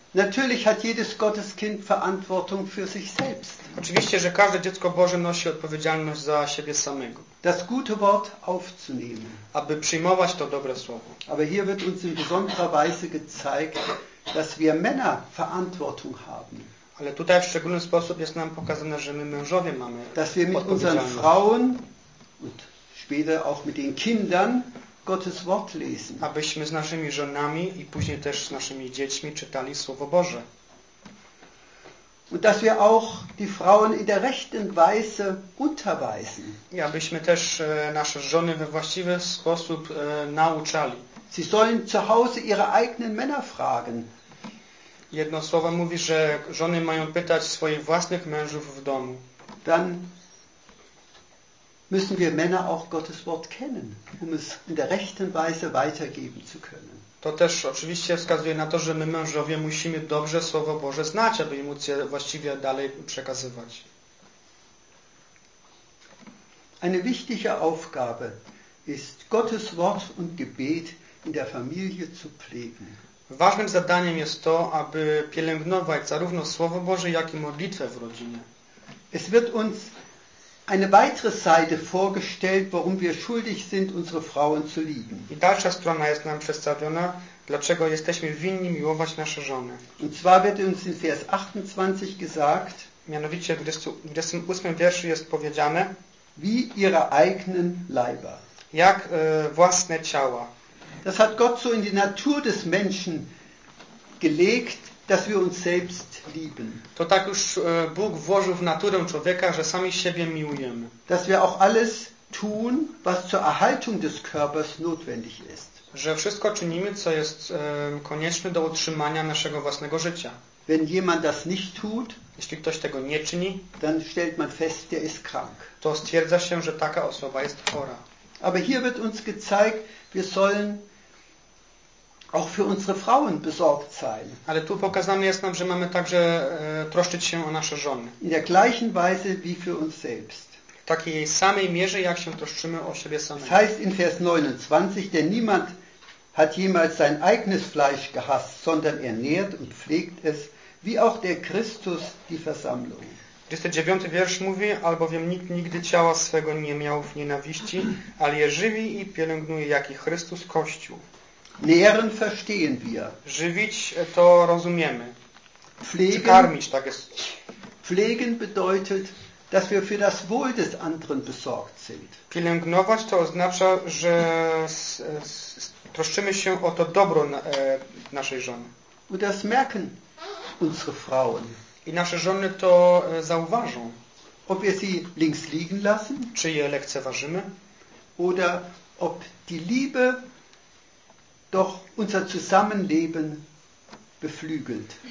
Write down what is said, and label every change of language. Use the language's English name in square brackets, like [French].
[German] Natürlich hat jedes Gotteskind Verantwortung für sich selbst. [Polish] Oczywiście, że każde dziecko Boże nosi odpowiedzialność za siebie samego. [German] Das gute Wort aufzunehmen. [Polish] Aby przyjmować to dobre słowo. [German] Aber hier wird uns in besonderer Weise gezeigt, dass wir Männer Verantwortung haben. [Polish] Ale tutaj w szczególny sposób jest nam pokazane, że my mężowie mamy odpowiedzialność. [German] Dass wir mit unseren Frauen und später auch mit den Kindern Gottes Wort lesen. [Polish] Abyśmy z naszymi żonami i później też z naszymi dziećmi czytali Słowo Boże. [German] Und dass wir auch die Frauen in der rechten Weise unterweisen. [Polish] Ja, byśmy też nasze żony we właściwy sposób nauczali. [German] Sie sollen zu Hause ihre eigenen Männer fragen. [Polish] Jedno słowo mówi, że żony mają pytać swoich własnych mężów w domu. [German] Dann müssen wir Männer auch Gottes Wort kennen, um es in der rechten Weise weitergeben zu können. [Polish] To też oczywiście wskazuje na to, że my mężowie musimy dobrze Słowo Boże znać, aby móc je właściwie dalej przekazywać. [German] Eine wichtige Aufgabe ist, Gottes Wort und Gebet in der Familie zu pflegen. [Polish] Ważnym zadaniem jest to, aby pielęgnować zarówno Słowo Boże, jak i modlitwę w rodzinie. [German] Es wird uns eine weitere Seite vorgestellt, warum wir schuldig sind, unsere Frauen zu lieben. [Polish] I dalsza strona jest nam przedstawiona, dlaczego jesteśmy winni miłować nasze żony. [German] Und zwar wird uns in Vers 28 gesagt, [Polish] mianowicie w 28 wierszu jest powiedziane, [German] wie ihre eigenen Leiber. [Polish] Jak własne ciała. [German] Das hat Gott so in die Natur des Menschen gelegt, dass wir uns selbst lieben. [Polish] To tak już Bóg włożył w naturę człowieka, że sami siebie miłujemy. [German] Dass wir auch alles tun, was zur Erhaltung des Körpers notwendig ist. [Polish] Że wszystko czynimy, co jest konieczne do utrzymania naszego własnego życia. [German] Wenn jemand das nicht tut, [Polish] jeśli ktoś tego nie czyni, [German] dann stellt man fest, der ist krank. [Polish] To stwierdza się, że taka osoba jest chora. [German] Aber hier wird uns gezeigt, wir sollen auch für unsere Frauen besorgt sein. [Polish] Ale tu pokazane jest nam, że mamy także troszczyć się o nasze żony. [German] In der gleichen Weise wie für uns selbst. [Polish] W takiej samej mierze, jak się troszczymy o siebie samych. [German] Das heißt in Vers 29, denn niemand hat jemals sein eigenes Fleisch gehasst, sondern ernährt und pflegt es, wie auch der Christus die Versammlung. [Polish] 29 wiersz mówi, albowiem nikt nigdy ciała swego nie miał w nienawiści, ale je żywi i pielęgnuje, jak i Chrystus Kościół. [German] Nähren verstehen wir. [Polish] Żywić to rozumiemy. [German] Pflegen, [Polish] czy karmić, tak jest. [German] Pflegen bedeutet, dass wir für das Wohl des anderen besorgt sind. [Polish] Pielęgnować to oznacza, że troszczymy się o to dobro naszej żony. [German] Und das merken unsere Frauen. [Polish] I nasze żony to zauważą. [German] Ob wir sie links liegen lassen. [Polish] Czy je lekceważymy. [German] Oder ob die Liebe doch unser Zusammenleben beflügelt.